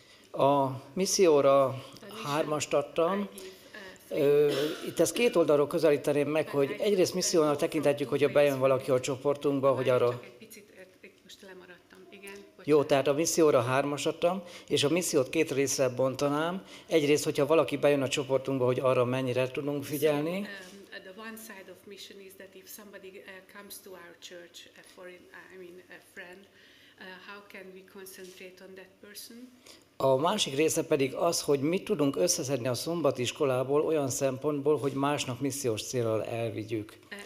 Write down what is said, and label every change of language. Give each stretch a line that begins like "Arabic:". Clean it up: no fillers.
Hungarian: A misszióra hármast adtam. Itt ezt két oldalról közelíteném meg, hogy egyrészt missziónak tekintetjük, hogyha bejön valaki a csoportunkba, hogy arra... Csak egy picit, most lemaradtam. Igen, jó, tehát a misszióra hármast adtam, és a missziót két részre bontanám. Egyrészt, hogyha valaki bejön a csoportunkba, hogy arra mennyire tudunk figyelni.
English: The one side of mission is that if somebody comes to our church, a friend, how can we concentrate on that person?
Hungarian: A másik része pedig az, hogy mit tudunk összeszedni a szombatiskolából olyan szempontból, hogy másnak missziós célral elvigyük.